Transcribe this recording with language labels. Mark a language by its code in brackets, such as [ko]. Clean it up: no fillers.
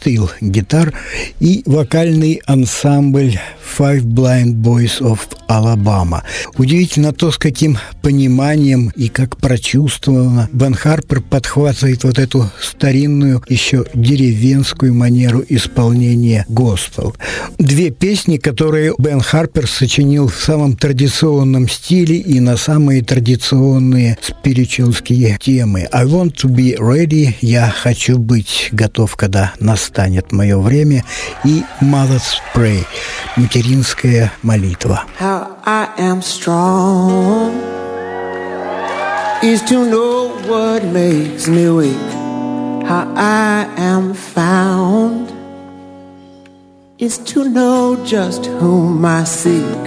[ru] Steel Guitar и вокальный ансамбль Five Blind Boys of Alabama. Удивительно то, с каким пониманием и как прочувствовано Бен Харпер подхватывает вот эту старинную, еще деревенскую манеру исполнения госпел. Две песни, которые Бен Харпер сочинил в самом традиционном стиле и на самые традиционные спиричуалские темы. [en] «I want to be ready» [ru] – «Я хочу быть готов, когда настанет мое время» и «Mother's Pray» – «Материнская молитва». [en] How I am strong is to know what makes me weak. How I am found is to know just whom I seek.